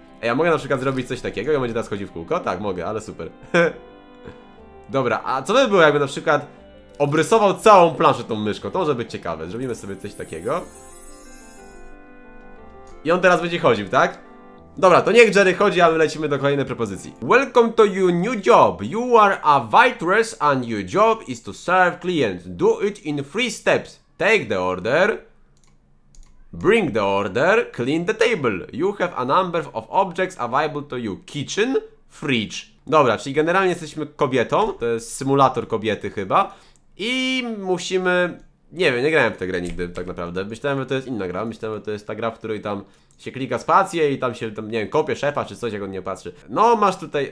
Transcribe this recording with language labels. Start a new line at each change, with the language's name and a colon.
Polish: Ej, ja mogę na przykład zrobić coś takiego i on będzie teraz chodził w kółko? Tak, mogę, ale super. Dobra, a co by było, jakby na przykład obrysował całą planszę tą myszką? To może być ciekawe. Zrobimy sobie coś takiego. I on teraz będzie chodził, tak? Dobra, to niech Jerry chodzi, a my lecimy do kolejnej propozycji.
English: Welcome to your new job. You are a waitress and your job is to serve clients. Do it in 3 steps. Take the order. Bring the order. Clean the table. You have a number of objects available to you. Kitchen. Fridge.
Polish: Dobra, czyli generalnie jesteśmy kobietą. To jest symulator kobiety chyba. I musimy... Nie wiem, nie grałem w tę grę nigdy tak naprawdę. Myślałem, że to jest inna gra. Myślałem, że to jest ta gra, w której tam się klika spację i tam się, tam, nie wiem, kopie szefa czy coś, jak on nie patrzy. No, masz tutaj...